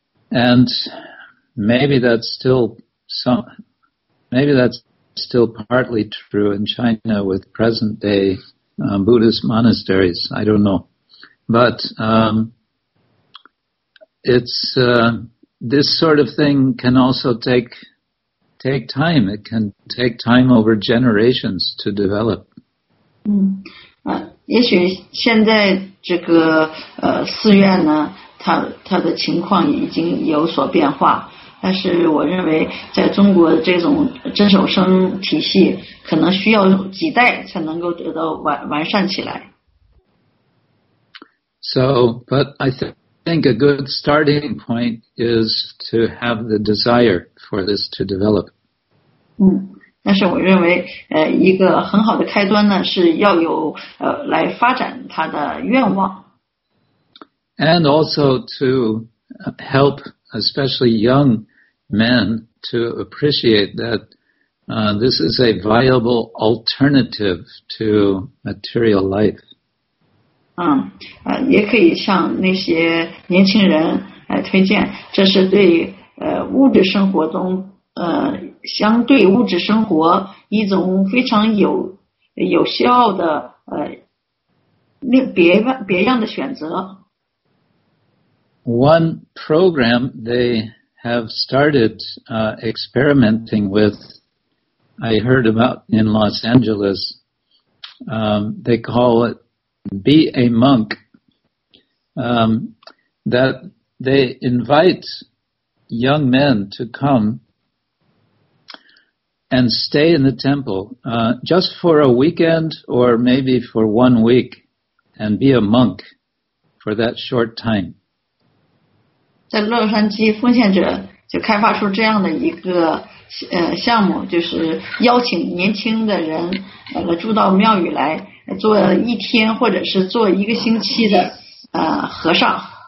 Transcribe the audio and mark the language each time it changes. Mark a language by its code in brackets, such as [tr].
[en] And maybe that's still partly true in China with present day Buddhist monasteries. I don't know, but it's this sort of thing can also take time. It can take time over generations to develop. [zh] 也许现在这个寺院呢，它的情况已经有所变化，但是我认为在中国这种真守生体系可能需要几代才能够得到完善起来。 [en] So, but I think a good starting point is to have the desire for this to develop. [zh] 但是我认为一个很好的开端呢，是要有来发展他的愿望。 [en] And also to help especially young men to appreciate that this is a viable alternative to material life. [zh] 也可以向那些年轻人推荐，这是对物质生活中相对物质生活一种非常有效的别样的选择。 [en] One program they have started experimenting with, I heard about in Los Angeles, they call it Be a Monk, that they invite young men to come and stay in the temple just for a weekend or maybe for 1 week and be a monk for that short time. [zh] 在洛杉矶，奉献者就开发出这样的一个项目，就是邀请年轻的人住到庙宇来做一天或者是做一个星期的和尚。